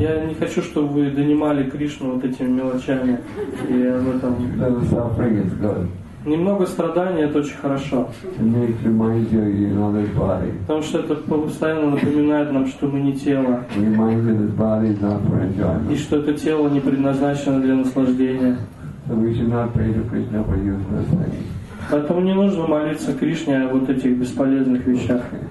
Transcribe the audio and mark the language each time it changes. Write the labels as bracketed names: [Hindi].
[Russian] Я не хочу, чтобы вы донимали Кришну вот этими мелочами и об этом. [English] Suffering is good. [Russian] Немного страдания — это очень хорошо. [English] It reminds you of another body. [Russian] Потому что это постоянно напоминает нам, что мы не тело. [English] Reminds you that body is not for enjoyment. [Russian] И что это тело не предназначено для наслаждения. [English] So we should not pray to Krishna for useless things. [Russian] Поэтому не нужно молиться Кришне о вот этих бесполезных вещах.